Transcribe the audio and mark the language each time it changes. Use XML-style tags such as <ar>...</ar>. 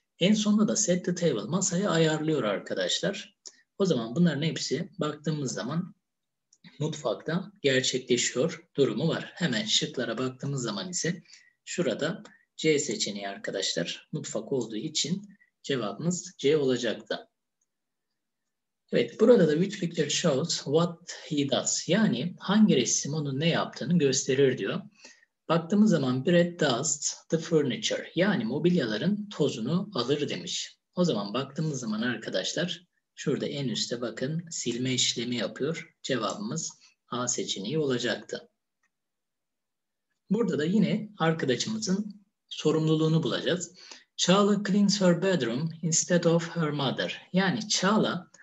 <tr>En sonunda da</tr> <en>set the table,</en> <tr>masayı ayarlıyor arkadaşlar. O zaman bunların hepsi baktığımız zaman mutfakta gerçekleşiyor durumu var. Hemen şıklara baktığımız zaman ise şurada C seçeneği arkadaşlar mutfak olduğu için cevabımız C olacaktı. Evet, burada da</tr> <en>which picture shows what he does.</en> <tr>Yani hangi resim onun ne yaptığını gösterir diyor. Baktığımız zaman</tr> <en>Brad dusts the furniture.</en> <tr>Yani mobilyaların tozunu alır demiş. O zaman baktığımız zaman arkadaşlar şurada en üste bakın silme işlemi yapıyor. Cevabımız A seçeneği olacaktı. Burada da yine arkadaşımızın sorumluluğunu bulacağız.</tr> <en>Çağla cleans her bedroom instead of her mother.</en> <tr>Yani Çağla</tr>